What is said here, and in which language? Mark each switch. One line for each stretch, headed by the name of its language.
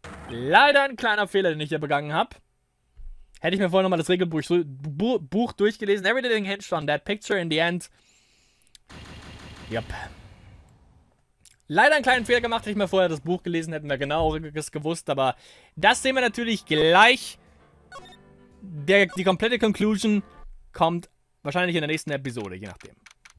German: Leider ein kleiner Fehler, den ich hier begangen habe. Hätte ich mir vorher nochmal das Regelbuch Buch durchgelesen.
English: Everything hinged on that picture in the end.
German: Yep. Leider einen kleinen Fehler gemacht. Hätte ich mir vorher das Buch gelesen, hätten wir genaueres gewusst. Aber das sehen wir natürlich gleich. Die komplette Conclusion kommt wahrscheinlich in der nächsten Episode, je nachdem.